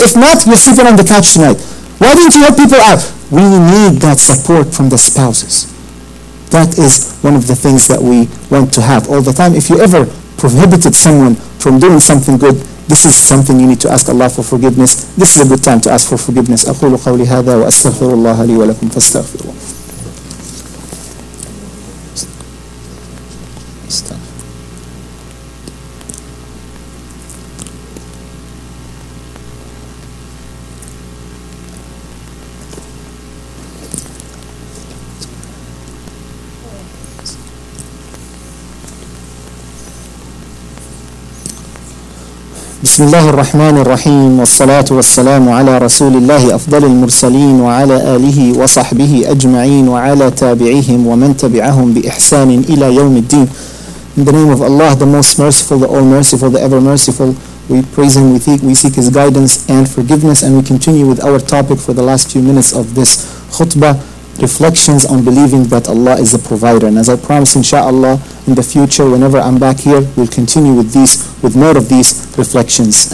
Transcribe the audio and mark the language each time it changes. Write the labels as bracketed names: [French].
[English] If not, you're sleeping on the couch tonight. Why didn't you help people out?" We need that support from the spouses. That is one of the things that we want to have all the time. If you ever prohibited someone from doing something good, this is something you need to ask Allah for forgiveness. This is a good time to ask for forgiveness. [Arabic] أقول قولي هذا وأستغفر الله لي ولكم فاستغفروا. بسم الله الرحمن الرحيم والصلاة والسلام على رسول الله أفضل المرسلين وعلى آله وصحبه أجمعين وعلى تابعيهم ومن تبعهم بإحسان إلى يوم الدين. [English] In the name of Allah, the most merciful, the all merciful, the ever merciful, we praise Him, we seek His guidance and forgiveness, and we continue with our topic for the last few minutes of this khutbah, reflections on believing that Allah is the provider. And as I promise, inshallah, in the future, whenever I'm back here, we'll continue with these, with more of these reflections.